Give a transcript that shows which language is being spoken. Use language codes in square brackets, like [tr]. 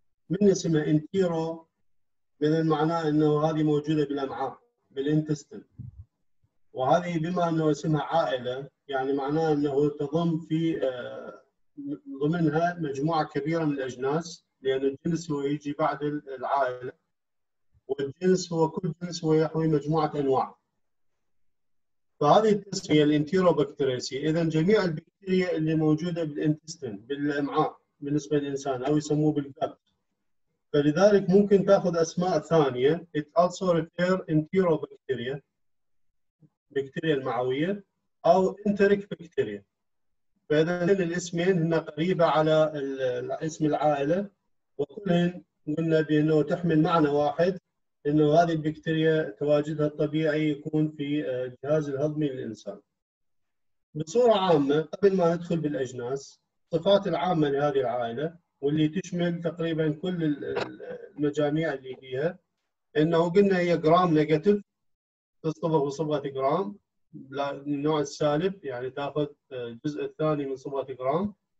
[ar] من اسمها انتيرو من معناه انه هذه موجوده بالامعاء بالانتستين، وهذه بما انه اسمها عائله يعني معناه انه تضم في ضمنها مجموعة كبيرة من الأجناس، لأن الجنس هو يجي بعد العائلة، والجنس هو كل جنس هو يحوي مجموعة أنواع. فهذه التسمية الانتيروبكتريسي، إذا جميع البكتيريا اللي موجودة بالانتستين بالأمعاء بالنسبة للإنسان أو يسموه بالجت، فلذلك ممكن تأخذ أسماء ثانية. [en] It also refer enterobacteria [ar] بكتيريا المعوية أو [en] enteric bacteria. [ar] فإذا الاسمين هنا قريبة على اسم العائلة، وكلهن قلنا بأنه تحمل معنى واحد، أنه هذه البكتيريا تواجدها الطبيعي يكون في الجهاز الهضمي للإنسان. بصورة عامة قبل ما ندخل بالأجناس، صفات العامة لهذه العائلة واللي تشمل تقريبا كل المجاميع اللي فيها، أنه قلنا هي جرام نيجاتيف، تصطبغ بصبغة جرام النوع السالب، يعني تاخذ الجزء الثاني من صبغة جرام.